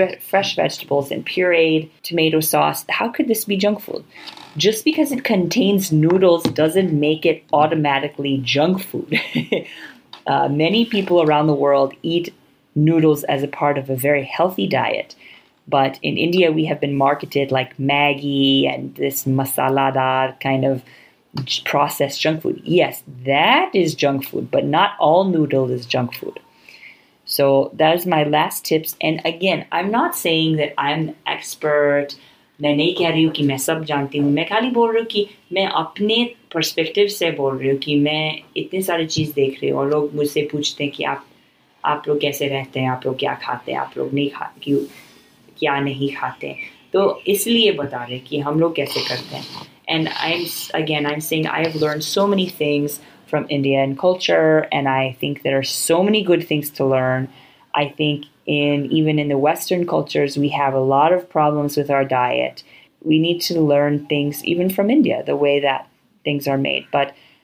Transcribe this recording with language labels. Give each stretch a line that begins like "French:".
English: Fresh vegetables and pureed tomato sauce how could this be junk food just because it contains noodles doesn't make it automatically junk food many people around the world eat noodles as a part of a very healthy diet But in India, we have been marketed like Maggi and this masaladar kind of processed junk food. Yes, that is junk food, but not all noodle is junk food. So that is my last tips. And again, I'm not saying that I'm expert.
Hindi: मैं नहीं कह रही हूँ कि मैं सब जानती हूँ. मैं खाली बोल रही हूँ कि मैं अपने perspective से बोल रही हूँ कि मैं इतने सारे चीज़ देख रही हूँ और लोग मुझसे पूछते हैं कि आप लोग कैसे रहते हैं आप लोग क्या खाते हैं आप लोग नहीं खाते क्यों क्या नहीं खाते हैं तो इसलिए बता रहे कि हम लोग कैसे करते हैं
English: and I am saying I have learn so many things from India and culture and I think there are so many good things to learn I think in even in the western cultures we have a lot of problems with our diet we need to learn things even from India the way that things are made but